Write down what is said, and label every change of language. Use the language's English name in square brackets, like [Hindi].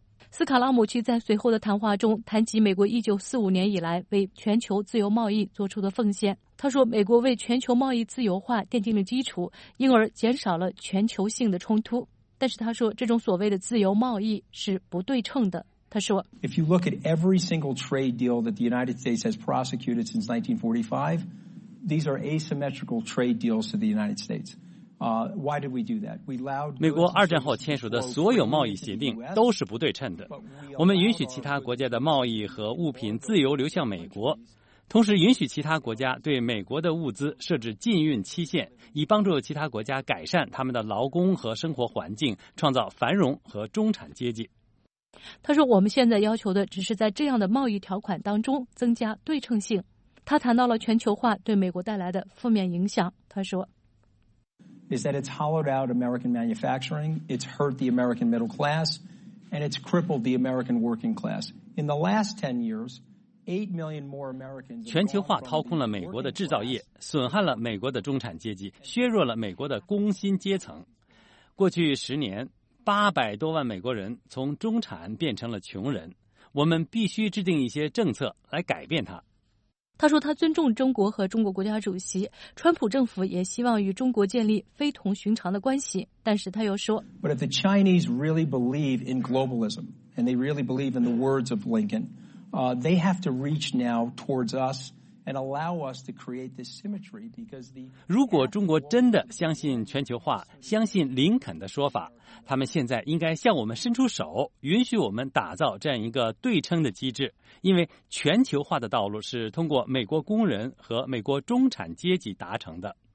[Chinese] 斯卡拉姆奇在随后的谈话中谈及美国1945年以来为全球自由贸易做出的奉献。他说，美国为全球贸易自由化奠定了基础，因而减少了全球性的冲突。但是他说，这种所谓的自由贸易是不对称的。他说， [English] If you look at every single trade deal that the United States has prosecuted since 1945, these are asymmetrical trade deals to the United States. Why did we do that? We allowed [Chinese] 美国二战后签署的所有贸易协定都是不对称的。我们允许其他国家的贸易和物品自由流向美国，同时允许其他国家对美国的物资设置禁运期限，以帮助其他国家改善他们的劳工和生活环境，创造繁荣和中产阶级。他说，我们现在要求的只是在这样的贸易条款当中增加对称性。他谈到了全球化对美国带来的负面影响。他说， [English] is that it's hollowed out American manufacturing, it's hurt the American middle class, and it's crippled the American working class. In the last 10 years, 8 million more Americans. [Chinese] 全球化掏空了美国的制造业，损害了美国的中产阶级，削弱了美国的工薪阶层。过去十年，800多万美国人从中产变成了穷人。我们必须制定一些政策来改变它。他说他尊重中国和中国国家主席，川普政府也希望与中国建立非同寻常的关系，但是他又说， [English] But if the Chinese really believe in globalism, and they really believe in the words of Lincoln, they have to reach now towards us and allow us to create this symmetry because the [Chinese] 如果中国真的相信全球化，相信林肯的说法，他们现在应该向我们伸出手，允许我们打造这样一个对称的机制。因为全球化的道路是通过美国工人和美国中产阶级达成的。